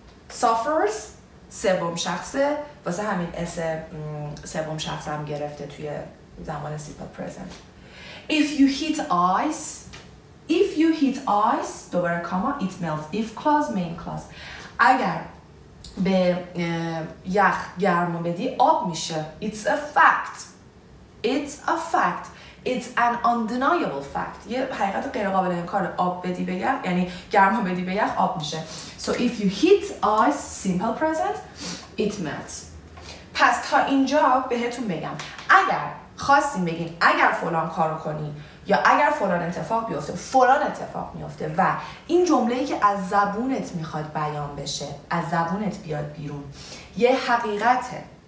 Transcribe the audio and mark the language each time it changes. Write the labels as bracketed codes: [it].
[fa] suffers سوم شخصه، واسه همین اس سوم شخص هم گرفته توی زمان simple present. [en] if you hit ice، if you hit ice [fa] دوباره [en] comma it melts، if clause main clause، [fa] اگر به یخ گرما بدی آب میشه. [en] it's a fact، it's a fact، it's an undeniable fact. [fa] یه حقیقت غیر قابل انکار، آب بدی به یخ، یعنی گرما بدی به یخ آب میشه. [en] So if you heat ice simple present it melts. [fa] پس تا اینجا بهتون بگم اگر خواستین بگین اگر فلان کار رو کنی یا اگر فلان اتفاق بیفته، فلان اتفاق میفته و این جمله‌ای که از زبونت میخواد بیان بشه، از زبونت بیاد بیرون، یه حقیقته